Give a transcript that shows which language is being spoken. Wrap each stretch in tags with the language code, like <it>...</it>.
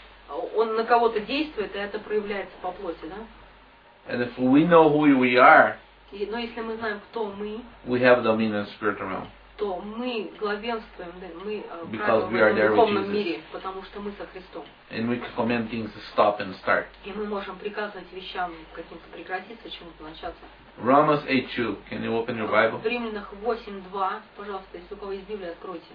<ru>Он на кого-то действует, и это проявляется по плоти, да?</ru> <en>And if we know who we are,</en> <ru>но если мы знаем, кто мы,</ru> <en>we have dominion in the spiritual realm.</en> <ru>То мы главенствуем, да, мы правим в духовном мире, потому что мы со Христом.</ru> <en>And we can command things to stop and start.</en> <ru>И мы можем приказывать вещам каким-то прекратиться, чему-то начаться.</ru> <en>Romans 8:2. Can you open your Bible?</en> <ru>В Римлянах 8:2, пожалуйста, если у кого есть Библия, откройте.</ru>